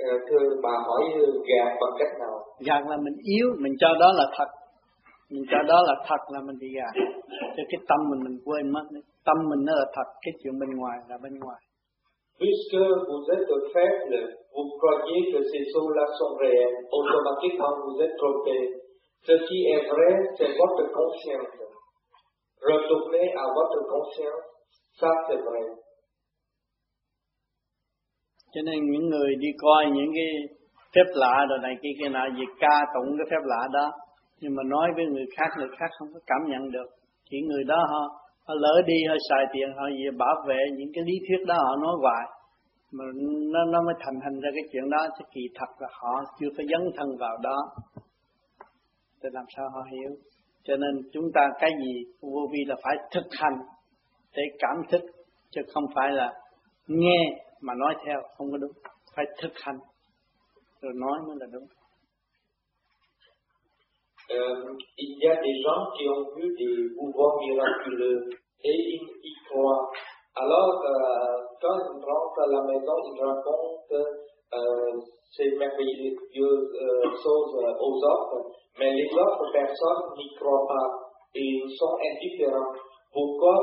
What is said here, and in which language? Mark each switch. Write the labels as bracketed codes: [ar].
[vi] Thưa bà hỏi gạt bằng cách nào? Gạt là mình yếu, mình cho đó là thật. Mình cho đó là thật là mình bị gạt. Cho cái tâm mình quên mất. Tâm mình nó là thật, cái chuyện bên ngoài là bên ngoài. [fr] Puisque vous êtes faible, vous croyez que ces choses-là sont réelles. Automatiquement, vous êtes trompé. Ce qui est vrai, c'est votre conscience. Retournez à votre conscience, ça c'est vrai. [vi] Cho nên những người đi coi những cái phép lạ đồ này kia nào, việc ca tụng cái phép lạ đó, nhưng mà nói với người khác không có cảm nhận được. Chỉ người đó ha, họ lỡ đi, họ xài tiền, họ gì bảo vệ những cái lý thuyết đó họ nói hoài, mà nó mới thành hình ra cái chuyện đó, chứ kỳ thật là họ chưa có dấn thân vào đó. Thì làm sao họ hiểu? Cho nên chúng ta cái gì vô vi là phải thực hành để cảm thức, chứ không phải là nghe mà nói theo, không có đúng. Phải thực hành rồi nói mới là đúng. [fr] Il y a des gens qui ont vu des pouvoirs miraculeux et ils y croient. Alors, quand ils rentrent à la maison, ils racontent ces merveilleuses choses aux autres, mais les autres personnes n'y croient pas et ils sont indifférents. Pourquoi?